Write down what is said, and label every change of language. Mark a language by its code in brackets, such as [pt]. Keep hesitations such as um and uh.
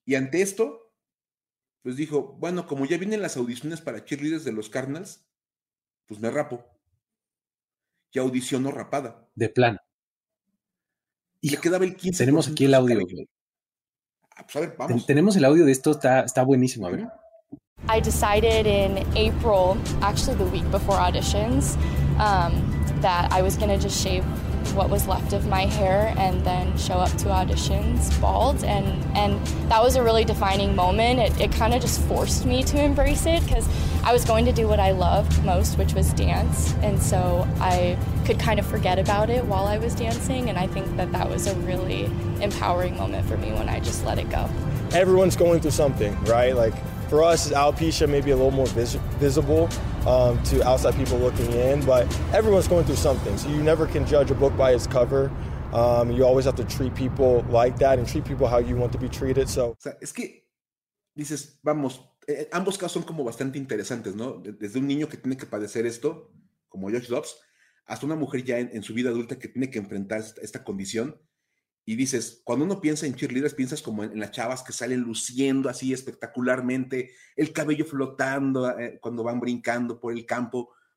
[es] Y ante esto, pues dijo, bueno, como ya vienen las audiciones para cheerleaders de los Cardinals, pues me rapo. Y audicionó rapada. De plano. Y Hijo. le quedaba el 15. Tenemos aquí el audio. Pues a ver, vamos. Tenemos el audio de esto, está, está buenísimo, a ver. [en] I decided in April, actually the week before auditions, um, that I was going just shave. what was left of my hair and then show up to auditions bald and and that was a really defining moment it, it kind of just forced me to embrace it because i was going to do what i loved most which was dance and so i could kind of forget about it while i was dancing and i think that that was a really empowering moment for me when i just let it go everyone's going through something right like for us, alopecia may be a little more visible um, to outside people looking in, but everyone's going through something. So you never can judge a book by its cover. Um, you always have to treat people like that and treat people how you want to be treated. [es] So o sea, es que dices, vamos, eh, ambos casos son como bastante interesantes, ¿no? Desde un niño que tiene que padecer esto, como George Dobbs, hasta una mujer ya en, en su vida adulta que tiene que enfrentar esta, esta condición. y dices, cuando uno piensa en cheerleaders, piensas como en, en, las chavas que salen luciendo así espectacularmente, el cabello flotando eh, cuando van brincando por el campo.